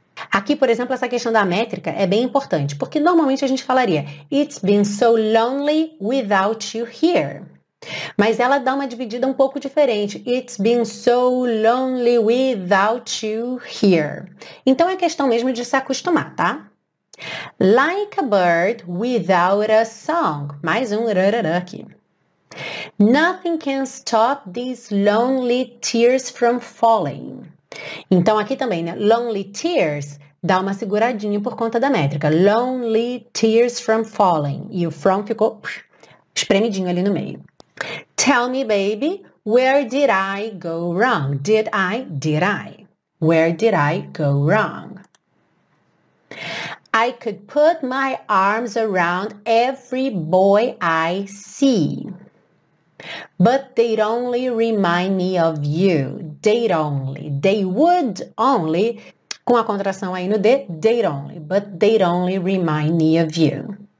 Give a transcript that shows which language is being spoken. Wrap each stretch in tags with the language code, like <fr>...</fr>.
<pt>Aqui, por exemplo, essa questão da métrica é bem importante, porque normalmente a gente falaria</pt> <en>It's been so lonely without you here.</en> <pt>Mas ela dá uma dividida um pouco diferente.</pt> <en>It's been so lonely without you here.</en> <pt>Então é questão mesmo de se acostumar, tá?</pt> <en>Like a bird without a song.</en> <pt>Mais um rarará aqui.</pt> <en>Nothing can stop these lonely tears from falling.</en> <pt>Então aqui também, né? Lonely tears dá uma seguradinha por conta da métrica.</pt> <en>Lonely tears from falling.</en> <pt>E o from ficou espremidinho ali no meio.</pt> <en>Tell me, baby, where did I go wrong? Did I? Where did I go wrong? I could put my arms around every boy I see. But they'd only remind me of you. They'd only. They would only.</en> <pt>Com a contração aí no D,</pt> <en>they'd only. But they'd only remind me of you.</en>